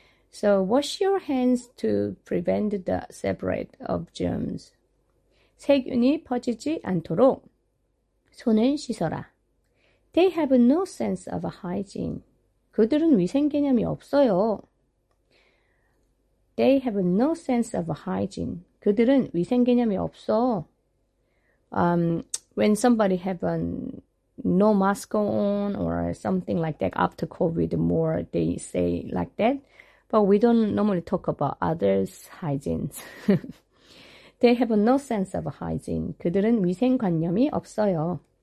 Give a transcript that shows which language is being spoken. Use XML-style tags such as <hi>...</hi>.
<en>So wash your hands to prevent the spread of germs.</en> <ko>세균이 퍼지지 않도록 손을 씻어라.</ko> <en>They have no sense of hygiene.</en> <ko>그들은 위생 개념이 없어요.</ko> <en>They have no sense of hygiene.</en> <ko>그들은 위생 개념이 없어.</ko> <en>When somebody have no mask on or something like that after COVID more, they say like that. But we don't normally talk about others' hygiene. They have no sense of hygiene.</en> <ko>그들은 위생 관념이 없어요.</ko>